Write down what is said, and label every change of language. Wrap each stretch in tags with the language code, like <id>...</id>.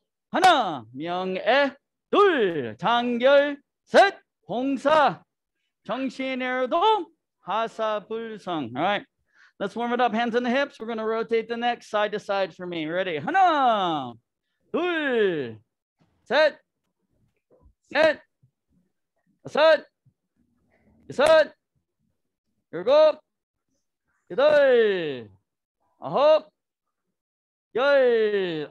<ko>하나, 명예, 둘, 장결, 셋, 봉사, 정신에도 하사불성.</ko> <en>All right. Let's warm it up. Hands on the hips. We're going to rotate the neck side to side for me. Ready?</en> <ko>하나, 둘, 셋, 넷, 다섯, 여섯, 일곱, 여덟, 아홉, 열.</ko>